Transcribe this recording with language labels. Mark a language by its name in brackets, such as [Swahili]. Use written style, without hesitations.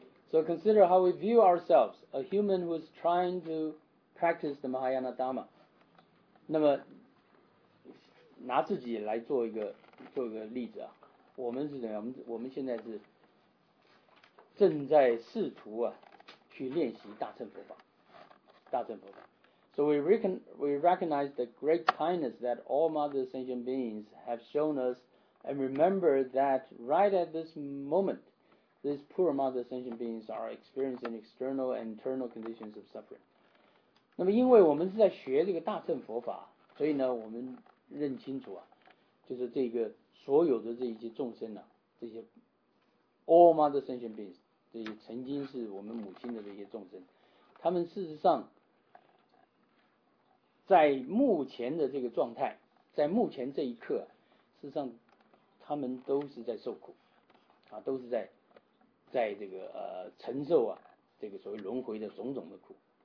[English] So consider how we view ourselves, a human who is trying to practice the Mahayana Dharma. [Chinese] 那么拿自己来做一个例子啊，我们是怎样？我们现在是正在试图啊去练习大乘佛法，大乘佛法。 [English] So we recognize the great kindness that all mother sentient beings have shown us and remember that right at this moment, these poor mother sentient beings are experiencing external and internal conditions of suffering. [Chinese] 那么因为我们是在学这个大乘佛法，所以呢我们认清楚啊，就是这个所有的这些众生啊，这些 [English] all mother sentient beings， [Chinese] 这些曾经是我们母亲的这些众生，他们事实上在目前的这个状态，在目前这一刻，事实上他们都是在受苦啊，都是在这个承受啊这个所谓轮回的种种的苦。